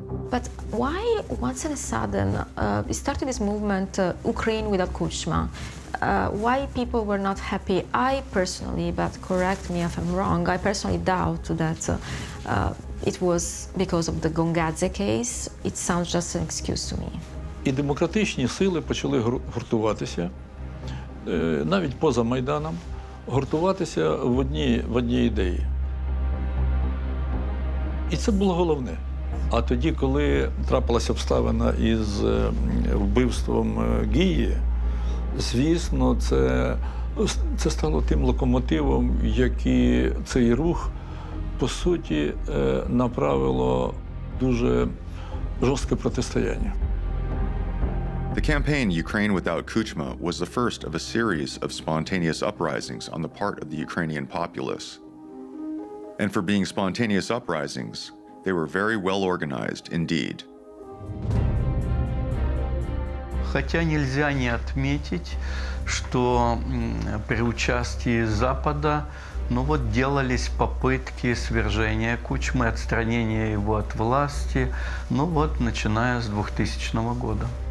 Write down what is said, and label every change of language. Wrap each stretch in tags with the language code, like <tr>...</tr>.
<en>But why, once in a sudden, started this movement, Ukraine without Kuchma? Why people were not happy? I personally, but correct me if I'm wrong, I personally doubt that it was because of the Gongadze case. It sounds just an excuse to me.</en> <uk>І демократичні сили почали гуртуватися, навіть поза Майданом, гуртуватися в одній ідеї. І це було головне. А тоді, коли трапилася обставина із вбивством Гії, звісно, це стало тим локомотивом, який цей рух, по суті, направило дуже жорстке протистояння.</uk> <en>The campaign Ukraine Without Kuchma was the first of a series of spontaneous uprisings on the part of the Ukrainian populace. And for being spontaneous uprisings, they were very well organized indeed.</en> <ru>Хотя нельзя не отметить, что при участии Запада, ну вот, делались попытки свержения Кучмы, отстранения его от власти, ну вот, начиная с 2000 года.</ru>